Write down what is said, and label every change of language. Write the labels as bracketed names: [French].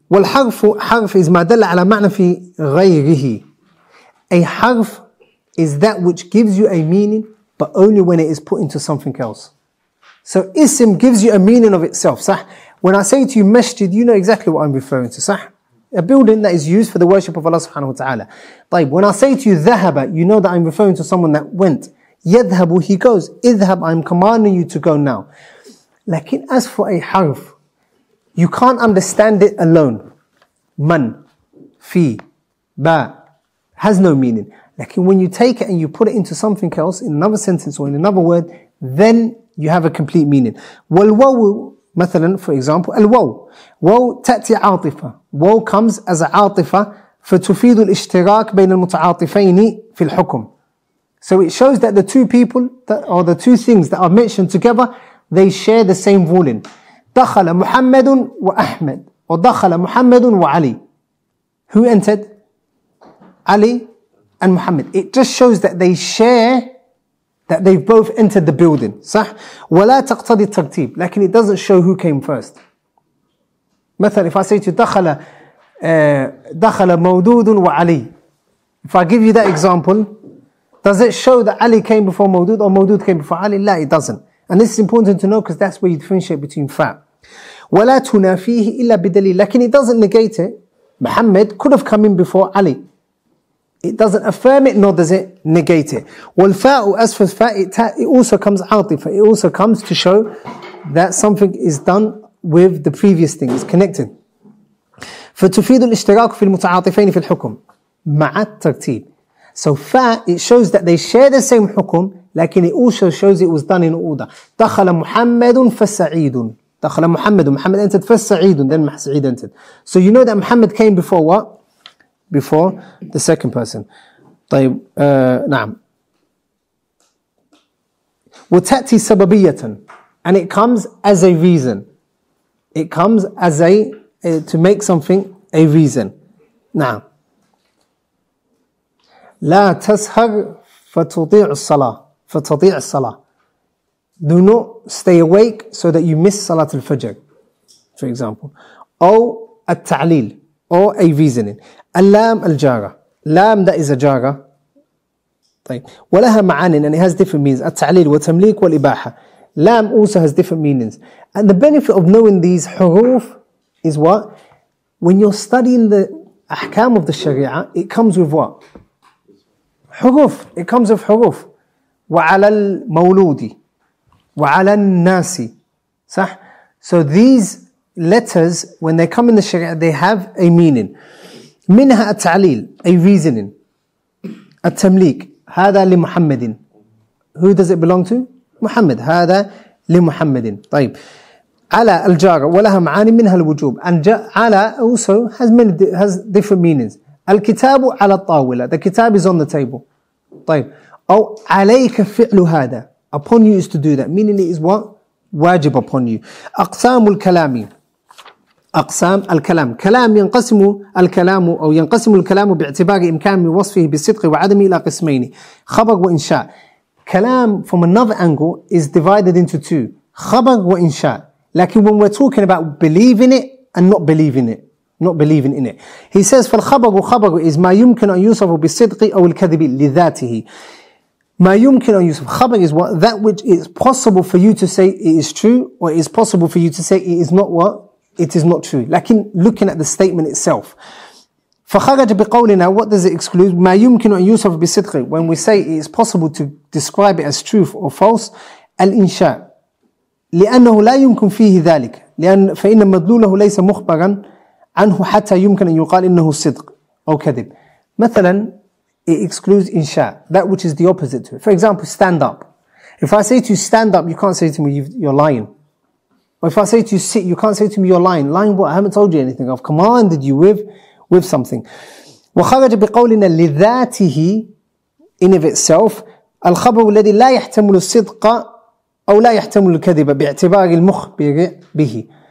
[Arabic] والحرف حرف is ما دل على معنى في غيره. [English] A حرف is that which gives you a meaning, but only when it is put into something else. So اسم gives you a meaning of itself. صح؟ When I say to you masjid, you know exactly what I'm referring to. صح؟ A building that is used for the worship of Allah subhanahu wa ta'ala. طيب, when I say to you ذهب, you know that I'm referring to someone that went. يذهب, he goes. اذهب, I'm commanding you to go now. لكن as for a حرف, you can't understand it alone. من, في, با, has no meaning. لكن when you take it and you put it into something else, in another sentence or in another word, then you have a complete meaning. [Arabic] والواو, مثلا, for example, الواو. واو تأتي عاطفة. واو [English] comes as a [Arabic] عاطفة فتفيد الاشتراك بين المتعاطفين في الحكم. [English] So it shows that the two people that are the two things that are mentioned together, they share the same ruling. [Arabic] دخل محمد وأحمد ودخل محمد وعلي. [English] Who entered? Ali and Muhammad. It just shows that they share, that they both entered the building. صح؟ [Arabic] ولا تقتضي الترتيب. [English] لكن it doesn't show who came first. مثلا if I say to you [Arabic] دخل مودود وعلي. [English] If I give you that example, does it show that Ali came before Mawdud or Mawdud came before Ali? لا, it doesn't. And this is important to know because that's where you differentiate between fa. [Arabic] ولا تنافيه إلا بدليل. [English] لكن it doesn't negate it. Muhammad could have come in before Ali. It doesn't affirm it, nor does it negate it. والفاء, as for فاء, it also comes عاطفة. It also comes to show that something is done with the previous thing. It's connected. [Arabic] فتفيد الاشتراك في المتعاطفين في الحكم مع الترتيب. [English] So فاء, it shows that they share the same حكم, لكن it also shows it was done in order. [Arabic] دخل محمد فسعيد. دخل محمد, محمد entered فسعيد, then سعيد entered. [English] So you know that Muhammad came before what? Before the second person. طيب, نعم. [Arabic] وتأتي سببية, [English] and it comes as a reason. It comes as a to make something a reason. نعم. [Arabic] لا تسهر فتضيع الصلاة. فتضيع الصلاة. [English] Do not stay awake so that you miss Salat al-Fajr, for example. [Arabic] أو التعليل, [English] or a reasoning. [Arabic] اللام الجارة. لام, that is a جارة. طيب. ولها معانٍ, [English] and it has different means. [Arabic] التعليل وتمليك والإباحة. [English] لام also has different meanings. And the benefit of knowing these حروف is what? When you're studying the أحكام of the شريعة, it comes with what? حروف. It comes with حروف. [Arabic] وعلى المولود وعلى الناس. [English] صح؟ So these letters, when they come in the Sharia, they have a meaning. [Arabic] منها التعليل, [English] a reasoning. التمليك, [Arabic] هذا لمحمد. [English] Who does it belong to? محمد. [Arabic] هذا لمحمد. طيب. على الجارة, ولها معاني منها الوجوب. [English] And على also has different meanings. [Arabic] الكتاب على الطاولة. [English] The kitab is on the table. طيب. [Arabic] أو عليك فعل هذا. [English] Upon you is to do that. Meaning it is what? واجب upon you. [Arabic] أقسام الكلام. أقسام الكلام. كلام ينقسم الكلام أو ينقسم الكلام باعتبار إمكان وصفه بالصدق وعدم إلى قسمين. خبر وإنشاء. [English] كلام from another angle is divided into two. [Arabic] خبر وإنشاء. [English] لكن when we're talking about believing it and not believing it. Not believing in it. He says [Arabic] فالخبر خبر is ما يمكن أن يوصف بالصدق أو الكذب لذاته. ما يمكن أن يوصف. خبر [English] is what? That which is possible for you to say it is true, or it is possible for you to say it is not what? It is not true. لكن looking at the statement itself. [Arabic] فخرج بقولنا. [English] What does it exclude? [Arabic] ما يمكن أن يوصف بصدق. [English] When we say it is possible to describe it as truth or false, الإنشاء. [Arabic] لأنه لا يمكن فيه ذلك. لأن فإن مدلوله ليس مخبرا عنه حتى يمكن أن يقال إنه صدق أو كذب. [English] مثلا it excludes إنشاء, that which is the opposite to it. For example, stand up. If I say to you stand up, you can't say to me you're lying. Or if I say to you sit, you can't say to me you're lying. Lying what? I haven't told you anything. I've commanded you with something. [Arabic] وخرج بقولنا لذاته, in of itself, الخبر الذي لا يحتمل الصدق أو لا يحتمل الكذب باعتبار المخبر به.